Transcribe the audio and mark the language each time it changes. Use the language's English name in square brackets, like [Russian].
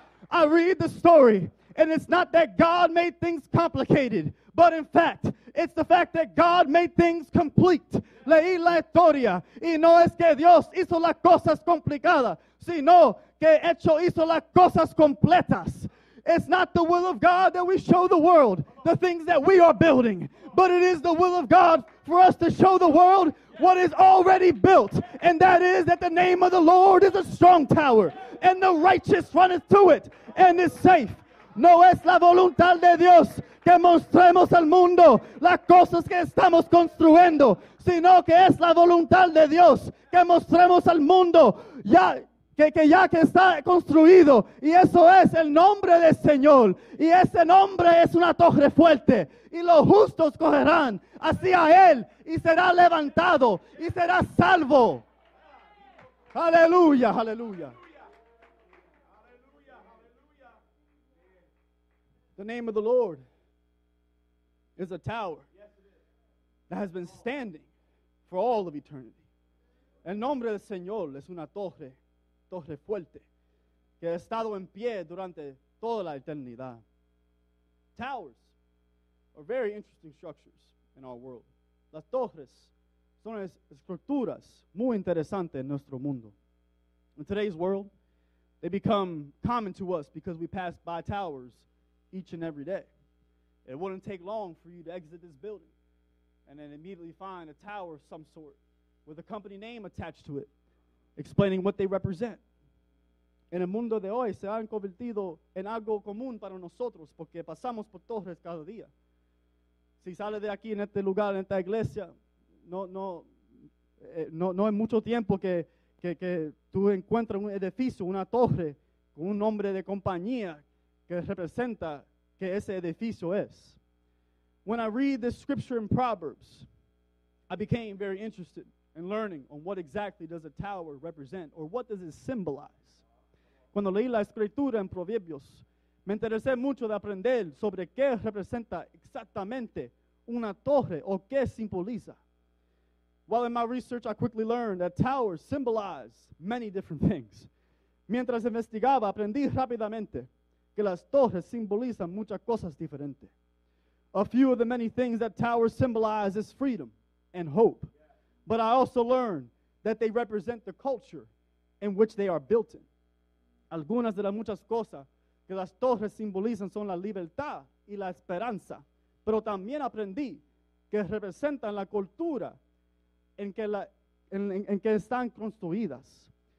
[English] I read the story, and it's not that God made things complicated, but in fact, it's the fact that God made things complete. [Spanish] Leí la historia, y no es que Dios hizo las cosas complicadas, sino que hecho hizo las cosas completas. [English] It's not the will of God that we show the world the things that we are building, but it is the will of God for us to show the world what is already built, and that is that the name of the Lord is a strong tower, and the righteous runneth to it, and is safe. [Spanish] No es la voluntad de Dios que mostremos al mundo las cosas que estamos construyendo, sino que es la voluntad de Dios que mostremos al mundo ya que está construido, y eso es el nombre del Señor, y ese nombre es una torre fuerte, y los justos correrán hacia él, y será levantado, y será salvo. Aleluya, aleluya. [English] The name of the Lord is a tower that has been standing for all of eternity. [Spanish] El nombre del Señor es una torre. Torre fuerte, que ha estado en pie durante toda la eternidad. [English] Towers are very interesting structures in our world. [Spanish] Las torres son estructuras muy interesantes en nuestro mundo. [English] In today's world, they become common to us because we pass by towers each and every day. It wouldn't take long for you to exit this building and then immediately find a tower of some sort with a company name attached to it. explaining what they represent. [Spanish] En el mundo de hoy se han convertido en algo común para nosotros porque pasamos por torres cada día. Si sale de aquí en este lugar, en esta iglesia, no es mucho tiempo que tú encuentras un edificio, una torre, con un nombre de compañía que representa que ese edificio es. [English] When I read this scripture in Proverbs, I became very interested in learning on what exactly does a tower represent or what does it symbolize. [Spanish] Cuando leí la escritura en Proverbios, me interesé mucho de aprender sobre qué representa exactamente una torre o qué simboliza. [English] While in my research, I quickly learned that towers symbolize many different things. [Spanish] Mientras investigaba, aprendí rápidamente que las torres simbolizan muchas cosas diferentes. [English] A few of the many things that towers symbolize is freedom and hope. But I also learned that they represent the culture in which they are built in. [Spanish] Algunas de las muchas cosas que las torres simbolizan son la libertad y la esperanza. Pero también aprendí que representan la cultura en que están construidas.